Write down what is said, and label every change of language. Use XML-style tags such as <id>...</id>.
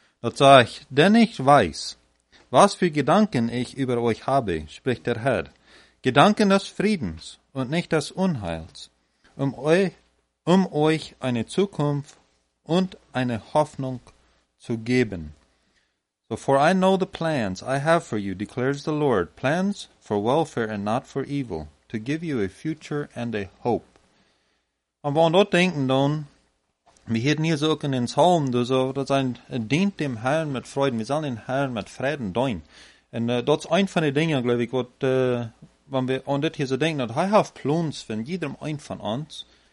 <de>Da sage ich, denn ich weiß, was für Gedanken ich über euch habe, spricht der Herr. Gedanken des Friedens und nicht des Unheils, um euch eine Zukunft und eine Hoffnung zu geben.</de> <en>So for I know the plans I have for you, declares the Lord, plans for welfare and not for evil, to give you a future and a hope.</en> <de>Und wenn wir denken dann, wir hätten hier so in den Psalm, das dient dem Herrn mit Freuden, wir sollen den Herrn mit Frieden dienen. Und das ist ein von den Dingen, glaube ich, was, wenn wir an das hier so denken, dass ich habe Pläne für jedem einen von uns.</de>